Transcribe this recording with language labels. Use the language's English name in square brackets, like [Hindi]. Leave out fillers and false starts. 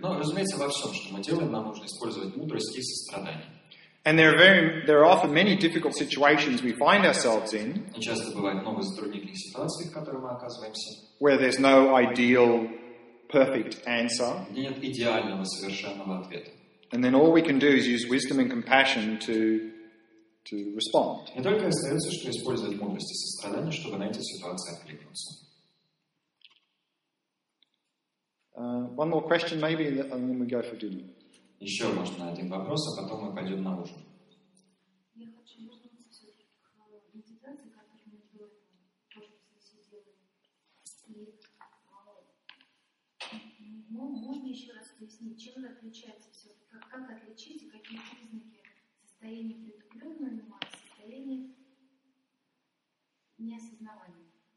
[Russian] Но, разумеется, во всем, что мы делаем, нам нужно использовать мудрость и сострадание. [English] And there are often many difficult situations we find ourselves in. [Russian] И часто бывает много затруднительных ситуаций, в которых мы оказываемся. [English] Where there's no ideal, perfect answer. [Russian] Нет идеального, совершенного ответа. [English] And then all we can do is use wisdom and compassion to respond. [Russian] И только остается, что использовать мудрость и сострадание, чтобы на эти ситуации откликнуться. [English] One more question, maybe, and then we go for dinner. [Russian] Еще можно один вопрос, а потом мы пойдем на ужин. Я хочу вернуться к медитации, которую мы делали, то, что мы все делали. И можно еще раз объяснить, чем это отличается? Как отличить, какие признаки состояния притупленного ума от состояния неосознавания?